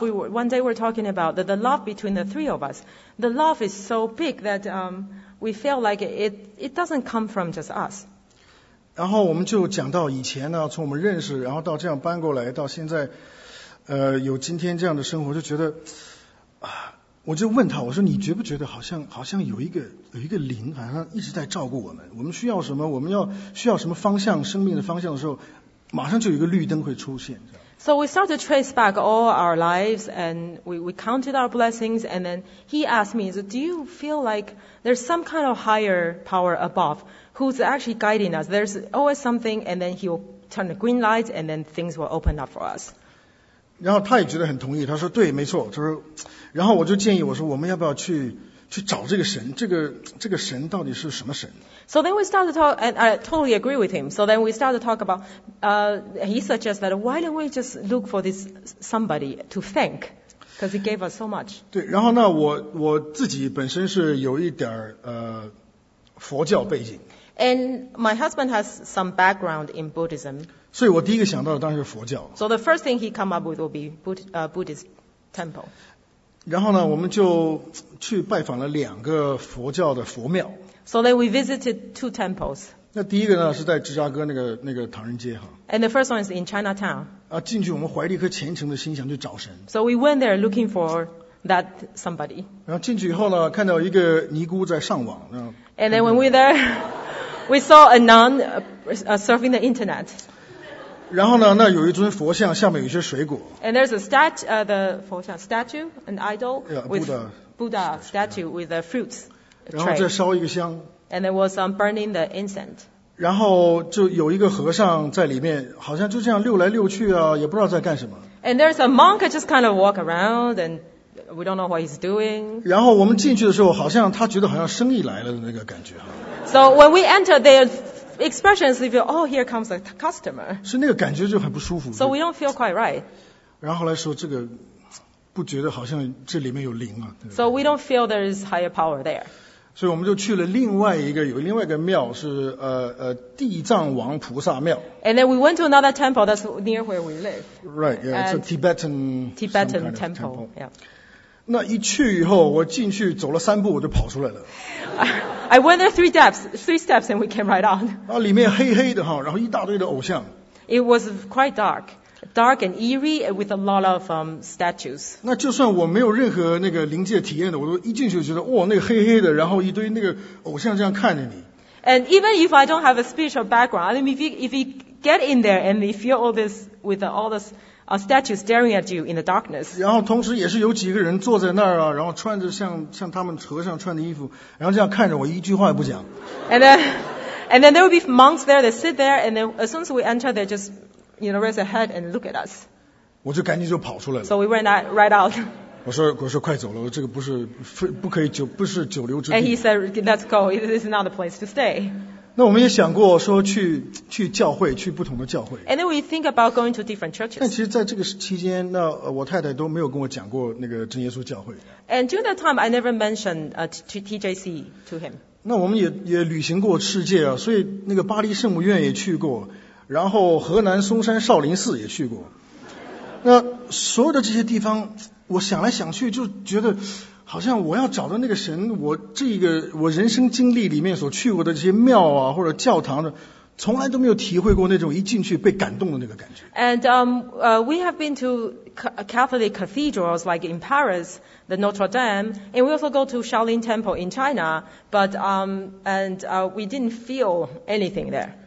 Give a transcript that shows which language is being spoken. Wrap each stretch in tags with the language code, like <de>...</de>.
<en>We were, one day we're talking about that the love between the three of us. The love is so big that we feel like it doesn't come from just us.</en> <zh>然后我们就讲到以前呢，从我们认识，然后到这样搬过来，到现在。 有今天这样的生活，就觉得啊，我就问他，我说你觉不觉得好像有一个灵，好像一直在照顾我们。我们需要什么？我们要需要什么方向？生命的方向的时候，马上就有一个绿灯会出现。</zh> <en>So we started to trace back all our lives, and we counted our blessings, and then he asked me, so do you feel like there's some kind of higher power above who's actually guiding us? There's always something, and then he'll turn the green light, and then things will open up for us.</en> <zh>然后他也觉得很同意，他说对，没错，他说，然后我就建议，我说我们要不要去找这个神，这个神到底是什么神？</zh> <en>So then we start to talk, and I totally agree with him. So then we start to talk about, he suggests that why don't we just look for this somebody to thank, because he gave us so much.</en> <zh>对，然后呢，我自己本身是有一点佛教背景。</zh> <en>And my husband has some background in Buddhism.</en> <zh>所以我第一个想到的当然是佛教。</zh> <en>So the first thing he come up with will be Buddhist temple.</en> <zh>然后呢，我们就去拜访了两个佛教的佛庙。</zh> <en>So then we visited two temples.</en> <zh>那第一个呢是在芝加哥那个唐人街哈。</zh> <en>And the first one is in Chinatown.</en> <zh>啊，进去我们怀了一颗虔诚的心，想去找神。</zh> <en>So we went there looking for that somebody.</en> <zh>然后进去以后呢，看到一个尼姑在上网。</zh> <en>And then when we were there, we saw a nun surfing the internet.</en> <zh>然后呢，那有一尊佛像，下面有些水果。</zh> <en>And there's a statue, the 佛像 statue, an idol with Buddha statue with the fruits.</en> <zh>然后再烧一个香</zh> <en>and there was some burning the incense.</en> <zh>然后就有一个和尚在里面，好像就这样溜来溜去啊，也不知道在干什么。</zh> <en>And there's a monk just kind of walk around, and we don't know what he's doing.</en> <zh>然后我们进去的时候，好像他觉得好像生意来了的那个感觉哈。</zh> <en>So when we enter, the expression is like, oh, here comes a customer.</en> <zh>是那个感觉就很不舒服。</zh> <en>So we don't feel quite right.</en> <zh>然后来说这个，不觉得好像这里面有灵啊。</zh> <en>So we don't feel there is higher power there.</en> <zh>所以我们就去了另外一个，有另外一个庙是地藏王菩萨庙。</zh> <en>And then we went to another temple that's near where we live. Right, yeah, it's a Tibetan kind of temple. Yeah.</en> <zh>那一去以后，我进去走了三步，我就跑出来了。</zh> <en>I went there three steps, and we came right out.</en> <zh>啊，里面黑黑的哈，然后一大堆的偶像。</zh> <en>It was quite dark and eerie with a lot of statues.</en> <zh>那就算我没有任何那个灵界体验的，我都一进去就觉得，哇，那个黑黑的，然后一堆那个偶像这样看着你。</zh> <en>And even if I don't have a spiritual background, I mean, if you get in there and you feel all this with all this statues staring at you in the darkness.</en> <zh>然后同时也是有几个人坐在那儿啊，然后穿着像他们和尚穿的衣服，然后这样看着我，一句话也不讲。</zh> <en>And then there will be monks there. They sit there, and then as soon as we enter, they just raise a head and look at us.</en> <zh>我就赶紧就跑出来了。</zh> <en>So we ran right out.</en> <zh>我说快走了，这个不是久留之地。</zh> <en>And he said, "Let's go. This is not a place to stay."</en> <zh>那我们也想过说去教会，去不同的教会。</zh> <en>And then we think about going to different churches.</en> <zh>但其实在这个期间，那我太太都没有跟我讲过那个真耶稣教会。</zh> <en>And during that time, I never mentioned TJC to him.</en> <zh>那我们也旅行过世界啊，所以那个巴黎圣母院也去过。然后河南嵩山少林寺也去过，那所有的这些地方，我想来想去就觉得，好像我要找的那个神，我人生经历里面所去过的这些庙啊或者教堂的，从来都没有体会过那种一进去被感动的那个感觉。</zh> <en>And we have been to Catholic cathedrals like in Paris, the Notre Dame, and we also go to Shaolin Temple in China, but we didn't feel anything there.</en>